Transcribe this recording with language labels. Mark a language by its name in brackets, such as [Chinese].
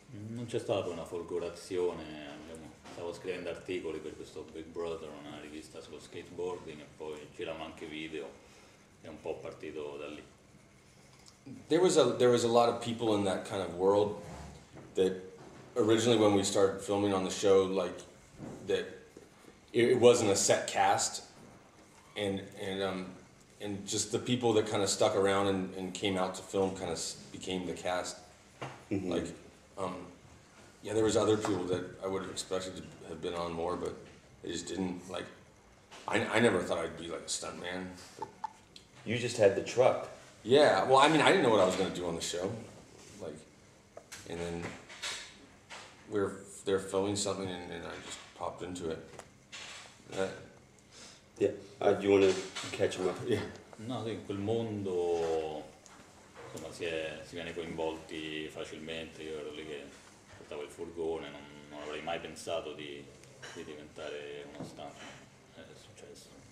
[Italian] Non c'è stata una folgorazione, diciamo, stavo scrivendo articoli per questo Big Brother, una rivista sullo skateboarding, e poi giravamo anche video, è un po' partito da lì. [English] There was a lot of people in that kind of world that originally when we started filming on the show, like, that it wasn't a set cast, and just the people that kind of stuck around and came out to film kind of became the cast. Mm-hmm. Like, yeah, there was other people that I would have expected to have been on more, but they just didn't. Like, I never thought I'd be like a stuntman. But you just had the truck. Yeah, well, I mean, I didn't know what I was going to do on the show, like, and then they're filming something, and I just popped into it. Do you want to catch him up? Yeah. [Italian] No, in quel mondo, insomma, si viene coinvolti facilmente. Io ero lì che portavo il furgone, non avrei mai pensato di diventare uno stunt. È successo.